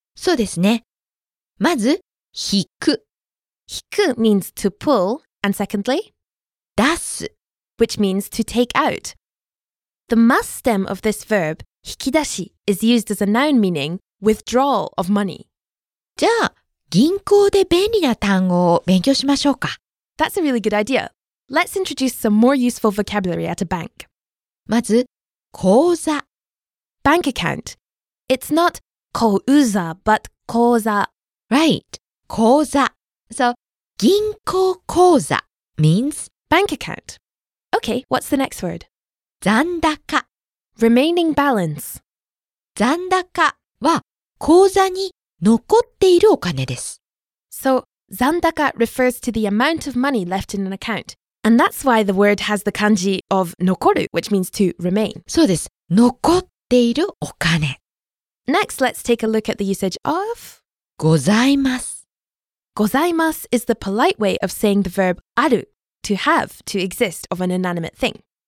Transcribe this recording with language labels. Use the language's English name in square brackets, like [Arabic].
[Japanese] そうですね。まず引く [English] 引く means to pull, and secondly [Japanese] 出す [English] which means to take out. The must stem of this verb 引き出し is used as a noun meaning withdrawal of money. [Japanese] じゃあ、銀行で便利な単語を勉強しましょうか。 [English] That's a really good idea. Let's introduce some more useful vocabulary at a bank. [Japanese] まず、口座。 [English] Bank account. It's not 口座 but 口座。 Right. 口座。 So, [Japanese] 銀行口座 means [English] bank account. Okay, what's the next word? [Japanese] 残高。 [English] Remaining balance. [Japanese] 残高は口座に残っているお金です。 [English] So, 残高 refers to the amount of money left in an account. And that's why the word has the kanji of 残る, which means to remain. [Japanese] そうです。残っているお金。 [English] Next, let's take a look at the usage of [Japanese] ございます。 [English] ございます is the polite way of saying the verb ある, to have, to exist, of an inanimate thing.